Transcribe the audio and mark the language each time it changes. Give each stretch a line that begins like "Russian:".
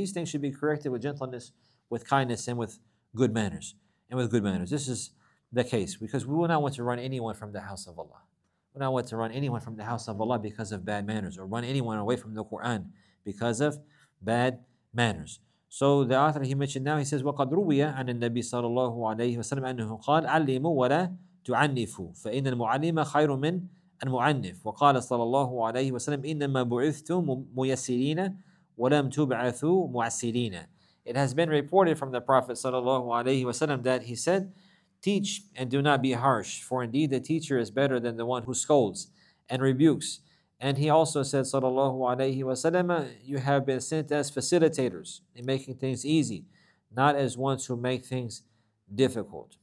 English: These things should be corrected with gentleness, with kindness, and with good manners. This is the case, because we will not want to run anyone from the house of Allah. We don't want to run anyone from the house of Allah because of bad manners, or run anyone away from the Quran because of bad manners. So the author he mentioned now, he says,
Arabic: وَقَدْ رُوِيَ عَنَ النَّبِي صَلَى اللَّهُ عَلَيْهِ وَسَلَمْ أَنُّهُ قَالْ عَلِّمُوا وَلَا تُعَنِّفُوا فَإِنَّ الْمُعَلِّمَ خَيْرٌ مِنْ الْمُعَنِّفُ وَقَالَ صَلَى اللَّهُ عَلَيْهِ وَسَلَمْ إِنَّمَا بُعِثْتُ مُيَسِّرِينَ وَلَمْ تُبْعَثُوا مُعَسِّرِينَ.
English: It has been reported from the Prophet that he said, teach and do not be harsh, for indeed the teacher is better than the one who scolds and rebukes. And he also said, sallallahu alayhi wa sallam, you have been sent as facilitators in making things easy, not as ones who make things difficult.